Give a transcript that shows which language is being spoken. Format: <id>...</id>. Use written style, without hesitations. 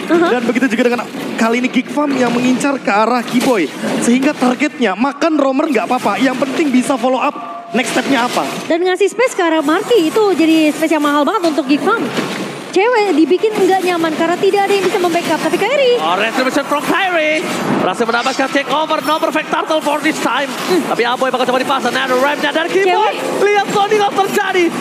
<id>Dan begitu juga dengan kali ini Geek Farm yang mengincar ke arah Keyboy. Sehingga targetnya makan Roamer gak apa-apa. Yang penting bisa follow up next step-nya apa. Dan ngasih space ke arah Marky. Itu jadi space yang mahal banget untuk Geek Farm. Cewek dibikin nggak nyaman karena tidak ada yang bisa membackup. Tapi Khairy.</id> <en>Oh, Retribution from Khairy. Berhasil mendapatkan take over. No perfect turtle for this time.</en> <id>Tapi Aboy bakal coba dipasang. Nether Ramp-nya dari Keyboy. Lihat Sony nggak terjadi.</id>